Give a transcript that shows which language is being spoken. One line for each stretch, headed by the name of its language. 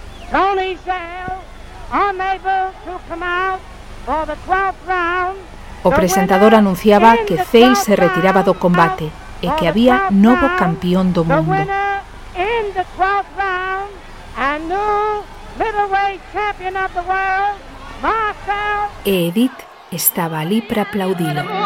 English: Tony Zale, unable to come out for the 12th round.
Galician: O presentador anunciaba que Zale se retiraba do combate e que había novo campeón do mundo.
English: In the 12th round, a new middleweight champion of the world, Marcel.
Galician: E Edith estaba ali para aplaudilo.